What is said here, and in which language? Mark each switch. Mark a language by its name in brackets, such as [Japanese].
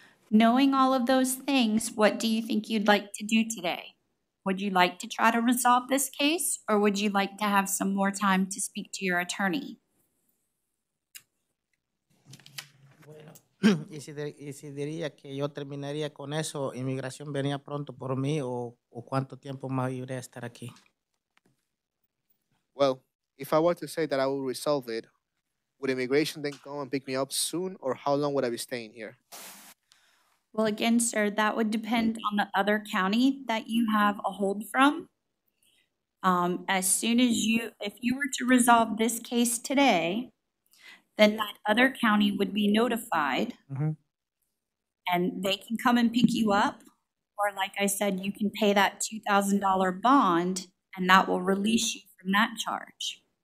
[English] Knowing all of those things, what do you think you'd like to do today? Would you like to try to resolve this case, or would you like to have some more time to speak to your attorney? [Spanish] Y si diría que yo terminaría con eso, inmigración venía pronto por mí o cuánto tiempo más iré a estar aquí. [English] Well, if I were to say that I would resolve it, would immigration then come and pick me up soon or how long would I be staying here? Well, again, sir, that would depend on the other county that you have a hold from. As soon as you, if you were to resolve this case today, then that other county would be notified, and they can come and pick you up, or like I said, you can pay that $2,000 bond, and that will release you from that charge.